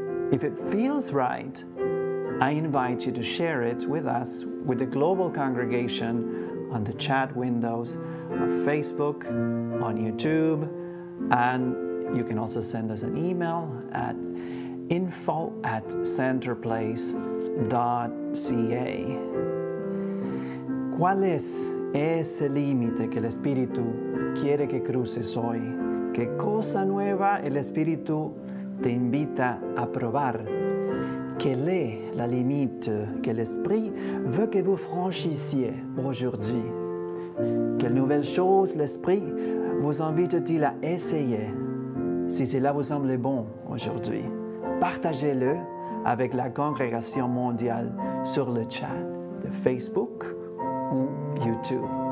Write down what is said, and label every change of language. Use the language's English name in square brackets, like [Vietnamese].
[English] If it feels right, I invite you to share it with us, with the global congregation, on the chat windows of Facebook, on YouTube, and you can also send us an email at info@centerplace.ca. [Spanish] ¿Cuál es ese límite que el Espíritu quiere que cruces hoy? ¿Qué cosa nueva el Espíritu te invita a probar? [French] Quelle est la limite que l'Esprit veut que vous franchissiez aujourd'hui? Quelle nouvelle chose l'Esprit vous invite-t-il à essayer si cela vous semble bon aujourd'hui? Partagez-le avec la congrégation mondiale sur le chat de Facebook ou YouTube.